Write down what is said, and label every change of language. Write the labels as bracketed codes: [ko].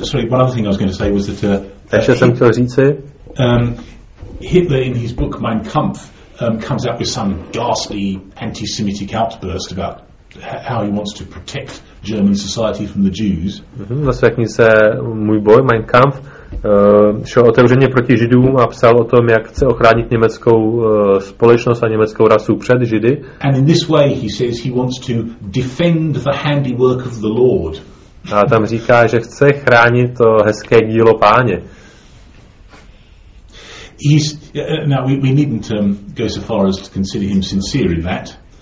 [en] one other thing I was going to say was that... Hitler, in his book Mein Kampf, comes out with some ghastly anti-Semitic outburst about how he wants to protect German society from the Jews. [cs] Ve své knize Můj boj, Mein Kampf, šel otevřeně proti Židům a psal o tom, jak chce ochránit německou společnost a německou rasu před Židy. [en] And in this way, he says, he wants to defend the handiwork of the Lord. [cs] A tam říká, že chce chránit to hezké dílo Páně. [en] He's, now we needn't go so far as to consider him sincere in that.